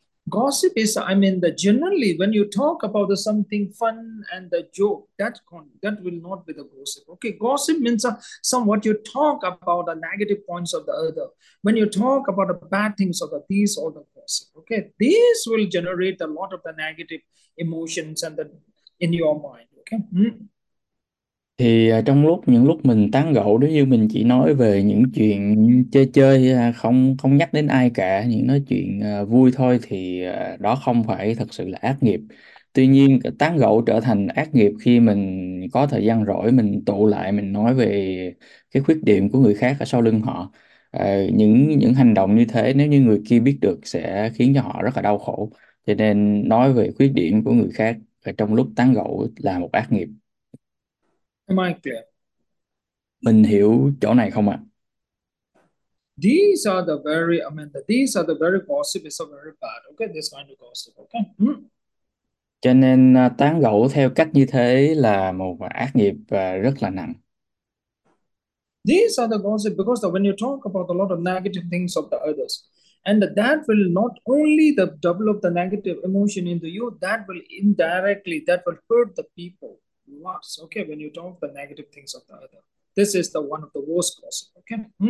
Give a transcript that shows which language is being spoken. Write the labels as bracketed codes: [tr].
[en] Gossip is, I mean, the generally when you talk about something fun and the joke, that will not be the gossip. Okay, gossip means somewhat you talk about the negative points of the other. When you talk about the bad things of the these or the gossip. Okay, this will generate a lot of the negative emotions and the in your mind. Okay. [vi] Thì trong lúc những lúc mình tán gẫu, nếu như mình chỉ nói về những chuyện chơi chơi, không không nhắc đến ai cả, những nói chuyện vui thôi, thì đó không phải thật sự là ác nghiệp. Tuy nhiên tán gẫu trở thành ác nghiệp khi mình có thời gian rỗi, mình tụ lại, mình nói về cái khuyết điểm của người khác ở sau lưng họ. Những hành động như thế, nếu như người kia biết được sẽ khiến cho họ rất là đau khổ. Cho nên nói về khuyết điểm của người khác trong lúc tán gẫu là một ác nghiệp. [en] Am I [vi] Mình hiểu chỗ này không ạ? [en] These are the very, I mean, these are the very gossip is very bad. Okay, this kind of gossip. Okay. [vi] Cho nên tán gẫu theo cách như thế là một ác nghiệp và rất là nặng. [en] These are the gossip because when you talk about a lot of negative things of the others, and that will not only the develop the negative emotion into you, that will indirectly, that will hurt the people. Lots, okay, when you talk the negative things of the other. This is the one of the worst causes, okay?